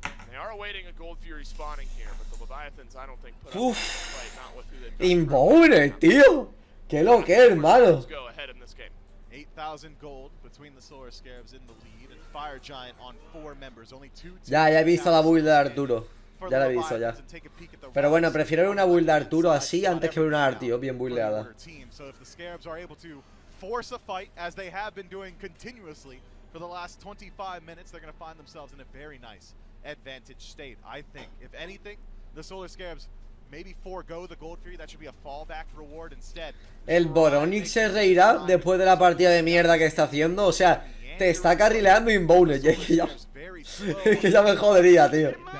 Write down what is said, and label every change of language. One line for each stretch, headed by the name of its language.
English: They are awaiting a Gold Fury spawning here, but the Leviathans, I don't think.
Spanish: Uff. Imbone, tío. Qué lo que, hermano.
English: 8,000 gold between the Solar Scarabs in the lead, and Fire Giant on four members. Only two.
Spanish: Ya he visto la build de Arturo. Ya la he visto, ya. Pero bueno, prefiero una build de Arturo así antes que ver una Arti, bien buildeada.
English: So if the Scarabs are able to force a fight, as they have been doing continuously for the last 25 minutes, they're going to find themselves in a very nice advantage state. I think, if anything, the Solar Scarabs maybe forego the Gold Fury. That should be a fallback reward instead.
Spanish: El Boronic se reirá después de la partida de mierda que está haciendo. O sea, te está carrileando Imbone. Es que ya me jodería, tío.